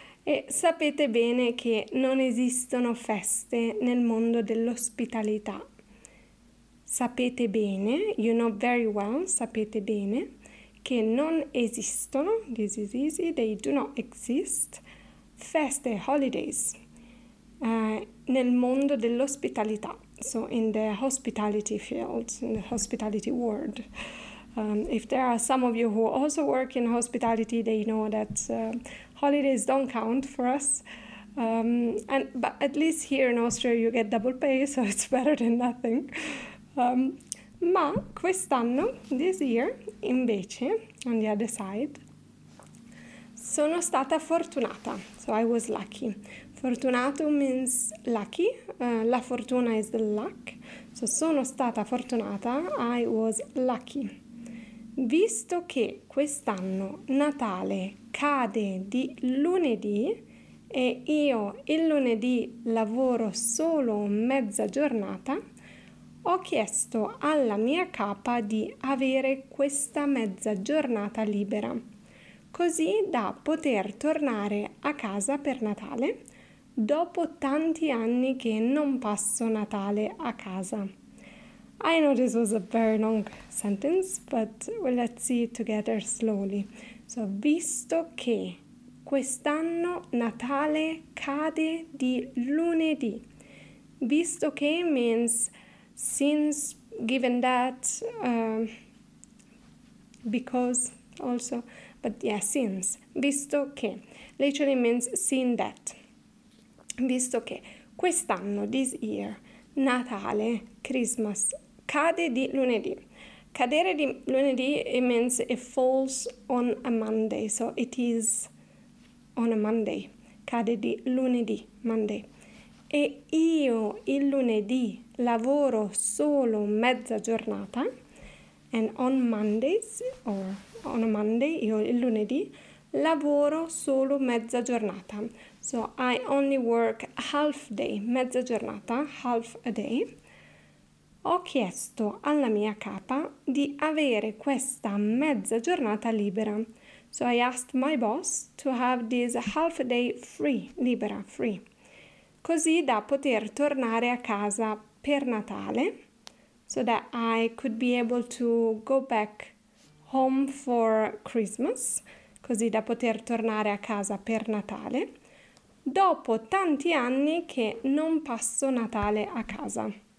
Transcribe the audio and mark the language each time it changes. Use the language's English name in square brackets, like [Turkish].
[Italian] E sapete bene che non esistono feste nel mondo dell'ospitalità. Sapete bene, [English] you know very well, [Italian] sapete bene, che non esistono, [English] this is easy, they do not exist, [Italian] feste, [English] holidays, [Italian] nel mondo dell'ospitalità. [English] So in the hospitality field, in the hospitality world. If there are some of you who also work in hospitality, they know that holidays don't count for us. But at least here in Austria you get double pay, so it's better than nothing. [Italian] Ma quest'anno, [English] this year, invece, on the other side, [Italian] sono stata fortunata. [English] So I was lucky. Fortunatum means lucky. [Italian] La fortuna [English] is the luck. So [Italian] sono stata fortunata. [English] I was lucky. [Italian] Visto che quest'anno Natale cade di lunedì e io il lunedì lavoro solo mezza giornata, ho chiesto alla mia capa di avere questa mezza giornata libera, così da poter tornare a casa per Natale dopo tanti anni che non passo Natale a casa. [English] I know this was a very long sentence, but let's see it together slowly. [Italian] So, visto che quest'anno Natale cade di lunedì. Visto che [English] means since, given that, because also, but yeah, since. [Italian] Visto che, [English] literally means seeing that. [Italian] Visto che quest'anno, [English] this year, [Italian] Natale, Christmas, cade di lunedì. Cadere di lunedì, [English] it means it falls on a Monday. So it is on a Monday. [Italian] Cade di lunedì, [English] Monday. [Italian] E io il lunedì lavoro solo mezza giornata. [English] And on Mondays, or on a Monday, [Italian] io il lunedì, lavoro solo mezza giornata. [English] So I only work half day, [Italian] mezza giornata, [English] half a day. [Italian] Ho chiesto alla mia capa di avere questa mezza giornata libera. [English] So I asked my boss to have this half a day free, [Italian] libera, [English] free. [Italian] Così da poter tornare a casa per Natale. [English] So that I could be able to go back home for Christmas. [Italian] Così da poter tornare a casa per Natale. Dopo tanti anni che non passo Natale a casa.